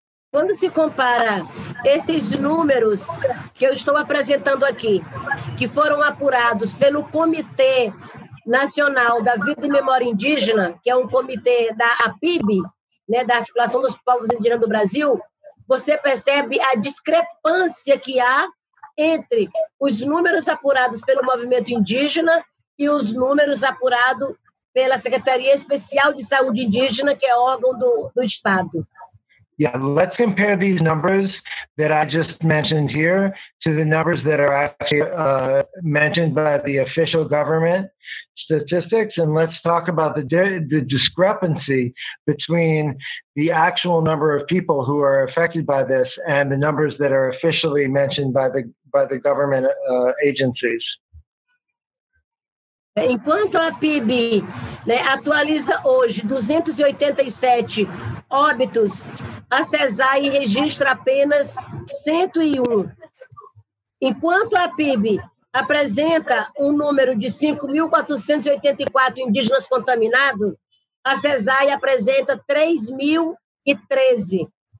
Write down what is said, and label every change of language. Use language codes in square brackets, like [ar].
[pt] Quando se compara esses números que eu estou apresentando aqui, que foram apurados pelo Comitê Nacional da Vida e Memória Indígena, que é um comitê da APIB, né, da Articulação dos Povos Indígenas do Brasil, você percebe a discrepância que há entre os números apurados pelo movimento indígena e os números apurados pela Secretaria Especial de Saúde Indígena, que é órgão do Estado. [en] Yeah, let's compare these numbers that I just mentioned here to the numbers that are actually mentioned by the official government statistics, and let's talk about the discrepancy between the actual number of people who are affected by this and the numbers that are officially mentioned by the government agencies. [pt] Enquanto a PIB, né, atualiza hoje 287 óbitos, a CESAI registra apenas 101. Enquanto a PIB apresenta um número de 5.484 indígenas contaminados, a CESAI apresenta 3.013.